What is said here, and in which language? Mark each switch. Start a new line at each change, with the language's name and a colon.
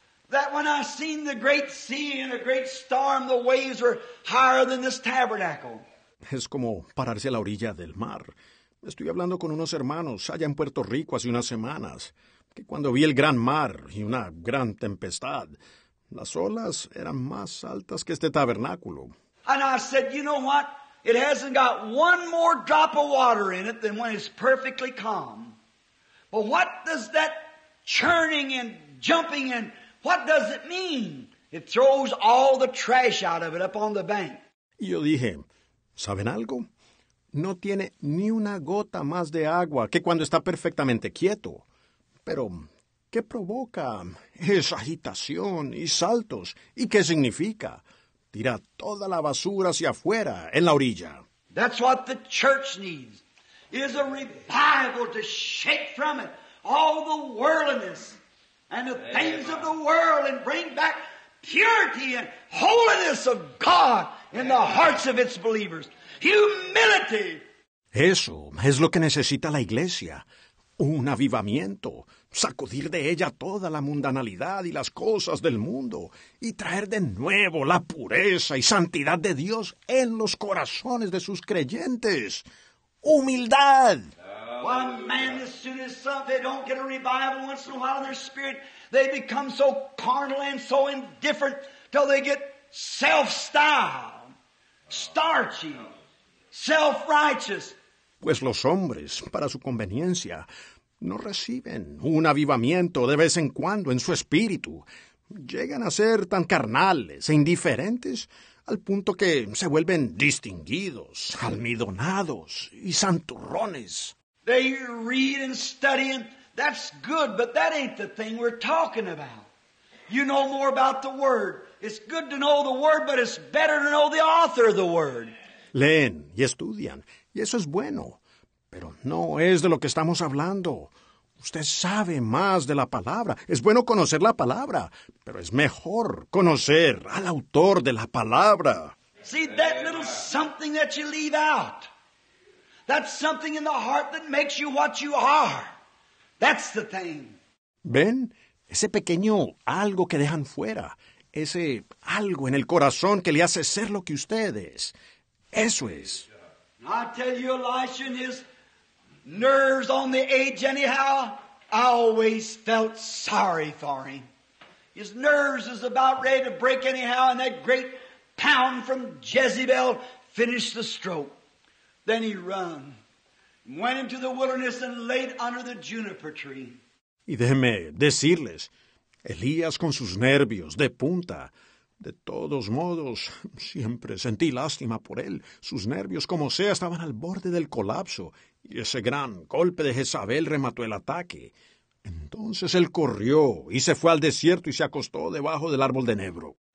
English: That when I seen the great sea and a great storm, the waves were higher than this tabernacle.
Spanish: Es como pararse a la orilla del mar. Estoy hablando con unos hermanos allá en Puerto Rico hace unas semanas, que cuando vi el gran mar y una gran tempestad, las olas eran más altas que este tabernáculo.
English: And I said, you know what? It hasn't got one more drop of water in it than when it's perfectly calm. But what does that churning and jumping and what does it mean? It throws all the trash out of it up on the bank.
Spanish: Y yo dije, ¿saben algo? No tiene ni una gota más de agua que cuando está perfectamente quieto. Pero, ¿qué provoca esa agitación y saltos? ¿Y qué significa? Tira toda la basura hacia afuera, en la orilla.
English: That's what the church needs, is a revival to shake from it all the worldliness and the things of the world and bring back purity and holiness of God in the hearts of its believers. Humility.
Spanish: Eso es lo que necesita la iglesia. Un avivamiento. Sacudir de ella toda la mundanalidad y las cosas del mundo. Y traer de nuevo la pureza y santidad de Dios en los corazones de sus creyentes. Humildad.
English: One man, as soon as some, they don't get a revival once in a while in their spirit, they become so carnal and so indifferent till they get self-styled, starchy, self-righteous.
Spanish: Pues los hombres, para su conveniencia, no reciben un avivamiento de vez en cuando en su espíritu. Llegan a ser tan carnales e indiferentes al punto que se vuelven distinguidos, almidonados y santurrones.
English: They read and study, and that's good, but that ain't the thing we're talking about. You know more about the Word. It's good to know the Word, but it's better to know the author of the Word.
Spanish: Leen y estudian, y eso es bueno, pero no es de lo que estamos hablando. Usted sabe más de la palabra. Es bueno conocer la palabra, pero es mejor conocer al autor de la palabra.
English: See, that little something that you leave out, that's something in the heart that makes you what you are. That's the thing.
Spanish: ¿Ven? Ese pequeño algo que dejan fuera. Ese algo en el corazón que le hace ser lo que usted es. Eso es.
English: I tell you, Elisha and his nerves on the edge anyhow, I always felt sorry for him. His nerves is about ready to break anyhow, and that great pound from Jezebel finished the stroke. Then he run, went into the wilderness and laid under the juniper tree.
Spanish: Y déjeme decirles, Elías con sus nervios de punta, de todos modos, siempre sentí lástima por él. Sus nervios, como sea, estaban al borde del colapso, y ese gran golpe de Jezabel remató el ataque. Entonces él corrió y se fue al desierto y se acostó debajo del árbol de enebro.